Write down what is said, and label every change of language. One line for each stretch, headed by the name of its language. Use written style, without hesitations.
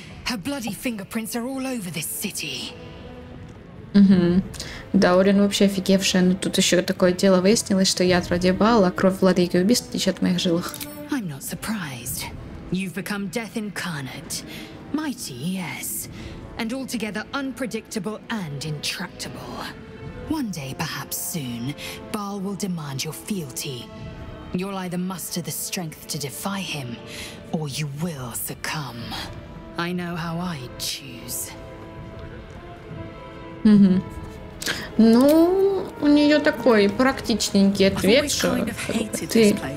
English: Her bloody fingerprints are all over this city.
Russian: Даурин вообще офигевшая, но тут еще такое дело выяснилось, что ядра Дебаала, кровь владыки убийств течет в моих жилах.
English: I'm not surprised. You've become death incarnate. Mighty, yes. And altogether unpredictable and intractable. One day, perhaps soon, Baal will demand your fealty. You'll either muster the strength to defy him, or you will succumb. I know how I choose.
Russian: Ну, у нее такой практичненький ответ, что ты...